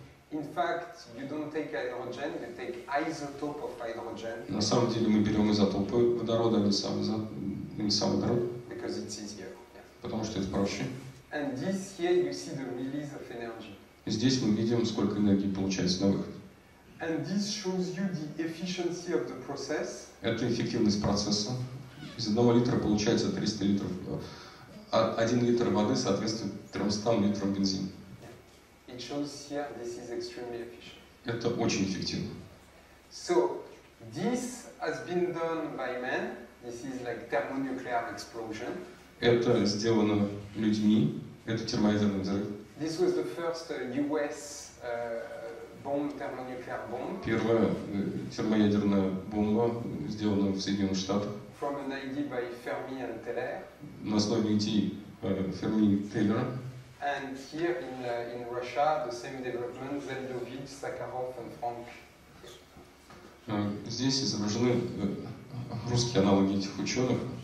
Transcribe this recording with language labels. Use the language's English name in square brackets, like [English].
[English] In fact, you don't take hydrogen, you take isotope of hydrogen. [Russian] На самом деле мы берем изотопы водорода, не сам водород. [English] Because it's easier. Yeah. [Russian] Потому что это проще. [English] And this here you see the release of energy. [Russian] Здесь мы видим, сколько энергии получается на выход. [English] And this shows you the efficiency of the process. [Russian] Это эффективность процесса. Из одного литра получается 300 литров. А 1 литр воды соответствует 300 литрам бензина. [English] It shows here this is extremely efficient. [Russian] Это очень эффективно. [English] So this has been done by man. This is like thermonuclear explosion. [Russian] Это сделано людьми. Это термоядерный взрыв. [English] This was the first US bomb, thermonuclear bomb. [Russian] Первая термоядерная бомба, сделанная в Соединенных Штатах. [English] From an idea by Fermi and Teller. [Russian] На основе идеи Ферми и Теллера. [English] And here in Russia, the same development, Zeldovich, Sakharov and Frank. [Russian] Здесь изображены русские аналоги этих ученых.